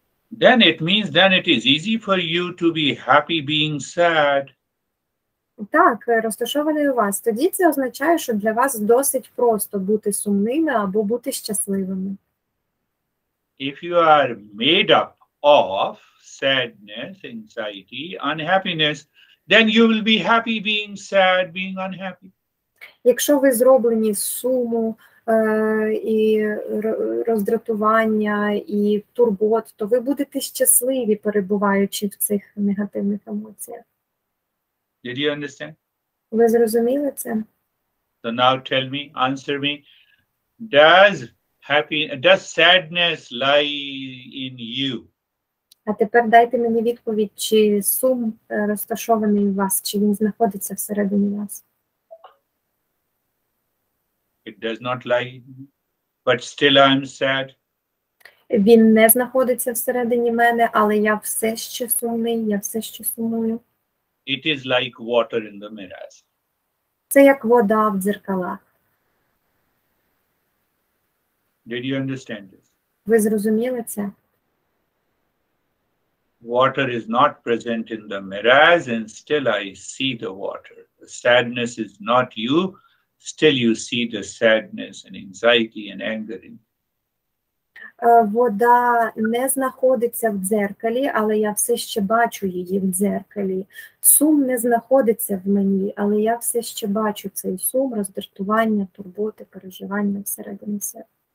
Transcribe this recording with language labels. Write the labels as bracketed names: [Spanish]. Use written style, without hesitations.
[English] Then it means then it is easy for you to be happy being sad. [Ukrainian] Так, розташований у вас. Тоді це означає, що для вас досить просто бути сумними або бути щасливими. [English] If you are made up of sadness, anxiety, unhappiness, then you will be happy being sad, being unhappy. [Ukrainian] Якщо ви зроблені з суму, і роздратування, і турбот, то ви будете щасливі, перебуваючи в цих негативних емоціях. [English] Did you understand? [Ukrainian] Ви зрозуміли це? [English] So now tell me, answer me, does happy, does sadness lie in you? [Ukrainian] А тепер дайте мені відповідь, чи сум розташований у вас, чи він знаходиться всередині вас. [English] It does not lie, but still I'm sad. [Ukrainian] Він не знаходиться всередині мене, але я все ще сумний, я все ще сумую. [English] It is like water in the mirrors. [Ukrainian] Це як вода в дзеркалах. [English] Did you understand this? [Ukrainian] Ви зрозуміли це? [English] Water is not present in the mirrors and still I see the water. The sadness is not you, still you see the sadness and anxiety and anger in you. [Ukrainian] Вода не знаходиться в дзеркалі, але я все ще бачу її в дзеркалі. Сум не знаходиться в мені, але я все ще бачу цей сум, роздратування, турботи, переживання всередині себе.